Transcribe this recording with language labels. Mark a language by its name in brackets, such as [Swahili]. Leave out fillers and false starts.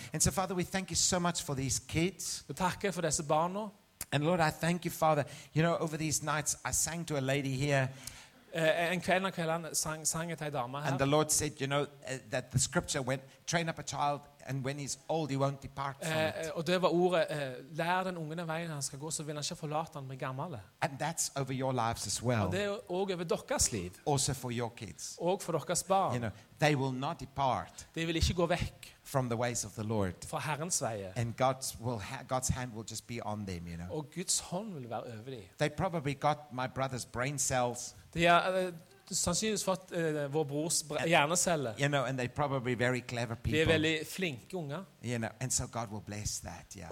[English] And so, Father, we thank you so much for these kids. [Norwegian] Vi takker for disse barna. [English] And Lord, I thank you, Father. You know, over these nights, I sang to a lady here. [Norwegian] En kveld og kveld sang jeg til en dame her. [English] And the Lord said, you know, that the scripture went, train up a child and when he's old, he won't depart from it. [Norwegian] Og det var ordet, lær den ungen den veien han skal gå, så vil han ikke forlate han blir gammel. [English] And that's over your lives as well. [Norwegian] Og det også over deres liv. [English] Also for your kids. [Norwegian] Og for deres barn. [English] You know, they will not depart. [Norwegian] De vil ikke gå vekk. [English] From the ways of the Lord. [Norwegian] Fra Herrens veier. [English] And God's hand will just be on them, you know. [Norwegian] Og Guds hånd vil være over dem. [English] They probably got my brother's brain cells. [Norwegian] De har sannsynligvis fått vår brors hjerneceller. [English] You know, and they probably very clever people. [Norwegian] De veldig flinke unger. [English] You know, and so God will bless that, yeah.